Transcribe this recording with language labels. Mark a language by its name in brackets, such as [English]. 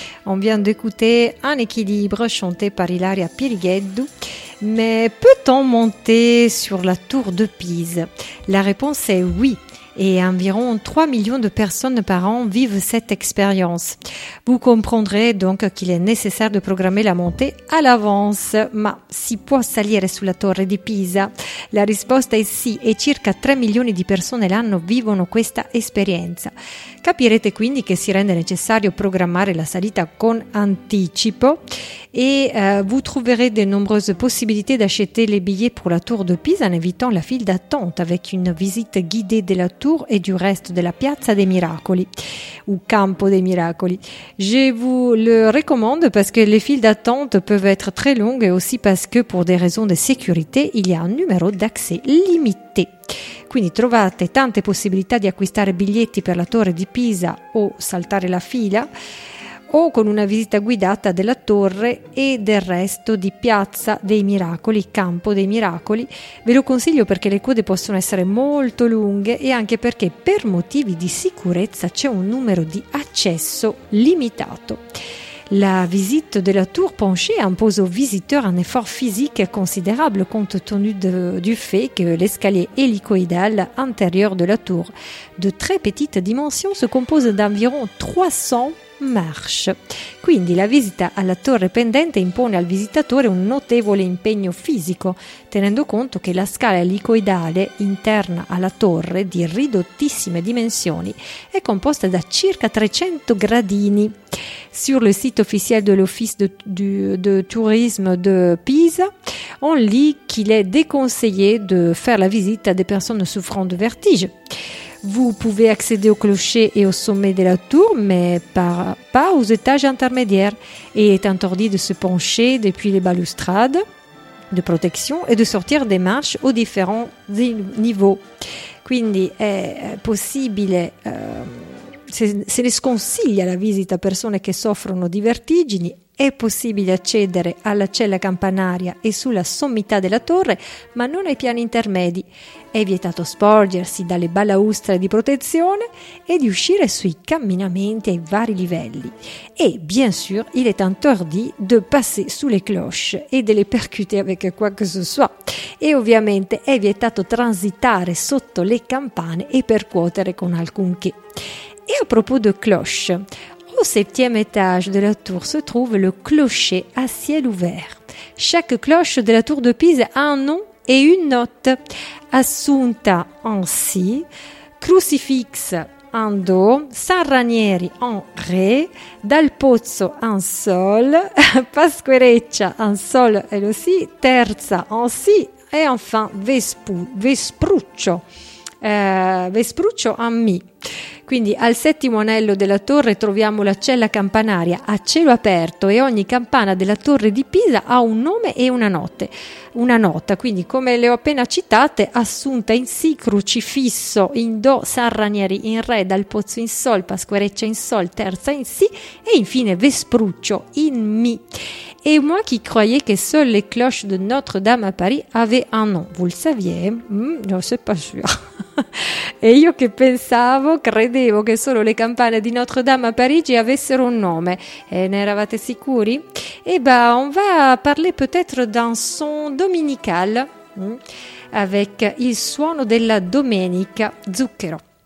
[French] On vient d'écouter Un équilibre, chanté par Hilaria Pirigueddu. Mais peut-on monter sur la tour de Pise? La réponse est oui. Et environ 3 millions de personnes par an vivent cette expérience. Vous comprendrez donc qu'il est nécessaire de programmer la montée à l'avance. [Italian] Ma si può salire sulla torre di Pisa? La risposta è sì, e circa 3 milioni di persone l'anno vivono questa esperienza. Capirete quindi che si rende necessario programmare la salita con anticipo. [French] Vous trouverez de nombreuses possibilités d'acheter les billets pour la tour de Pise en évitant la file d'attente avec une visite guidée de la tour et du reste de la Piazza dei Miracoli ou Campo dei Miracoli. Je vous le recommande parce que les files d'attente peuvent être très longues et aussi parce que pour des raisons de sécurité, il y a un numéro d'accès limité. [Italian] Quindi trovate tante possibilità di acquistare biglietti per la torre di Pisa o saltare la fila o con una visita guidata della torre e del resto di Piazza dei Miracoli, Campo dei Miracoli. Ve lo consiglio perché le code possono essere molto lunghe e anche perché per motivi di sicurezza c'è un numero di accesso limitato. [French] La visite de la tour penchée impose aux visiteurs un effort physique considérable compte tenu du fait que l'escalier hélicoïdal intérieur de la tour, de très petite dimension, se compose d'environ 300 marches. [Italian] Quindi la visita alla torre pendente impone al visitatore un notevole impegno fisico, tenendo conto che la scala elicoidale interna alla torre di ridottissime dimensioni è composta da circa 300 gradini. [French] Sur le site officiel de l'Office de tourisme de Pisa, on lit qu'il est déconseillé de faire la visite à des personnes souffrant de vertige. Vous pouvez accéder au clocher et au sommet de la tour, mais pas aux étages intermédiaires. Et il est interdit de se pencher depuis les balustrades de protection et de sortir des marches aux différents niveaux. [Italian] Quindi è possibile, se ne sconsiglia la visita a persone che soffrono di vertigini. È possibile accedere alla cella campanaria e sulla sommità della torre, ma non ai piani intermedi. È vietato sporgersi dalle balaustre di protezione e di uscire sui camminamenti ai vari livelli. [French] E, bien sûr, il est interdit de passer sous les cloches e de les percuter avec quoi que ce soit. [Italian] E, ovviamente, è vietato transitare sotto le campane e percuotere con alcunché. [French] E a propos de cloche, au septième étage de la tour se trouve le clocher à ciel ouvert. Chaque cloche de la tour de Pise a un nom et une note. Assunta en si, crucifix en do, San Ranieri en ré, Dal Pozzo en sol, Pasquereccia en sol et le si, Terza en si et enfin Vespruccio en mi. [Italian] Quindi al settimo anello della torre troviamo la cella campanaria a cielo aperto e ogni campana della torre di Pisa ha un nome e una nota. Quindi come le ho appena citate, assunta in si, crocifisso in do, San Ranieri in re, Dal Pozzo in sol, Pasquereccia in sol, Terza in si e infine Vespruccio in mi. [French] Et moi qui croyais que seules les cloches de Notre-Dame à Paris avaient un nom. Vous le saviez? Non, c'est pas sûr. [Italian] Et io che pensavo, credevo che solo le campane di Notre-Dame à Parigi avessero un nome. Et ne eravate sicuri? [French] Eh ben, on va parler peut-être d'un son dominical, avec [Italian] il suono della domenica, [French] Zucchero.